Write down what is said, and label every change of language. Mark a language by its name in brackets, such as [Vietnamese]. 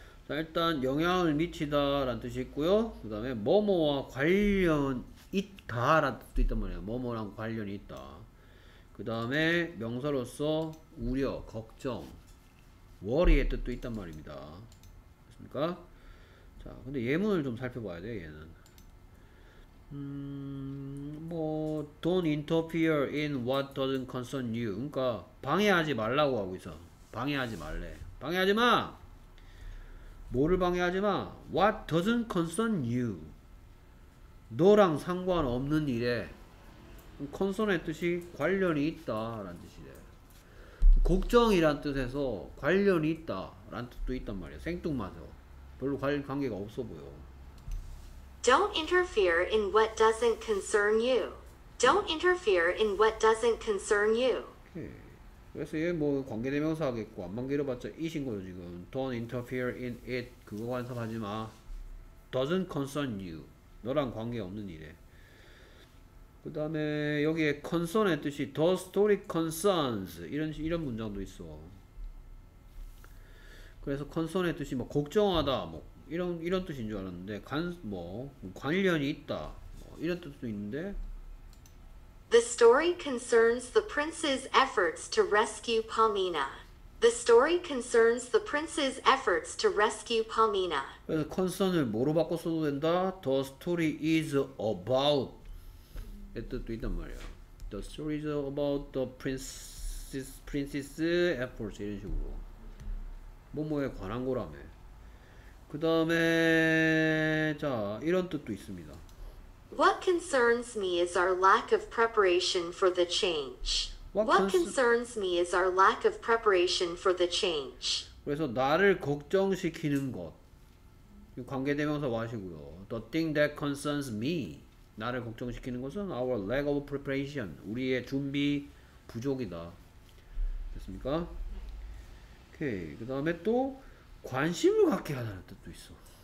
[Korean] 일단 영향을 미치다 라는 뜻이 있고요. 그 다음에 뭐뭐와 관련 있다 라는 뜻도 있단 말이에요. 뭐뭐랑 관련이 있다. 그 다음에 명사로서 우려, 걱정, 워리의 뜻도 있단 말입니다. 됐습니까? 자, 근데 예문을 좀 살펴봐야 돼요. 얘는 뭐 [English] don't interfere in what doesn't concern you. [Korean] 그러니까 방해하지 말라고 하고 있어. 방해하지 말래. 방해하지 마. 뭐를 방해하지 마. [English] What doesn't concern you. [Korean] 너랑 상관없는 일에. concern의 뜻이 관련이 있다 라는 뜻이래. 걱정이란 뜻에서 관련이 있다 라는 뜻도 있단 말이야. 생뚱맞아. 별로 관계가 없어 보여. [English] Don't interfere in what doesn't concern you. Don't interfere in what doesn't concern you. Okay. [Korean] 그래서 얘 뭐 관계대명사 하겠고 안만 길어봤자 이신 거죠 지금. [English] Don't interfere in it. [Korean] 그거 관섭하지 마. [English] Doesn't concern you. [Korean] 너랑 관계없는 일에. 그 다음에 여기에 concern의 뜻이 [English] the story concerns [Korean] 이런 문장도 있어. 그래서 concern의 뜻이 뭐 걱정하다 뭐 이런 뜻인 줄 알았는데 뭐 관련이 있다 뭐 이런 뜻도 있는데 [English] The story concerns the prince's efforts to rescue Palmina. The story concerns the prince's efforts to rescue Palmina. [Korean] 그래서 concern을 뭐로 바꿔서도 된다? [English] The story is about [Korean] 이 뜻도 있단 말이야. [English] The story is about the prince's efforts [Korean] 이런 식으로 뭐뭐에 관한 거라며. 그 다음에 자 이런 뜻도 있습니다. [English] What concerns me is our lack of preparation for the change. What concerns me is our lack of preparation for the change. [Korean] 그래서 나를 걱정시키는 것. 관계대명사 와시고요. [English] The thing that concerns me. [Korean] 나를 걱정시키는 것은 [English] our lack of preparation. [Korean] 우리의 준비 부족이다. 됐습니까? 오케이. 그 다음에 또 관심을 갖게 하다는 뜻도 있어.